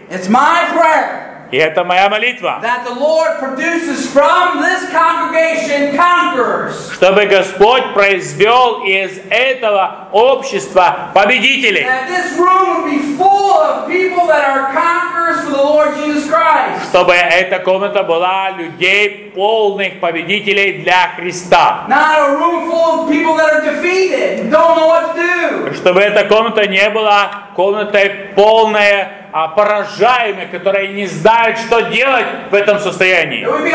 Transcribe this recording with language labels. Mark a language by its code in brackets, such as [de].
[en] It's my prayer. [ru] И это моя молитва. [en] That the Lord produces from this congregation conquerors. [ru] Чтобы Господь произвел из этого общества победителей. [en] That this room would be full of people that are conquerors for the Lord Jesus Christ. [ru] Чтобы эта комната была людей, полных победителей для Христа. [en] Not a room full of people that are defeated and don't know what to do. [ru] Чтобы эта комната не была комнатой полной а поражаемые, которые не знают, что делать в этом состоянии.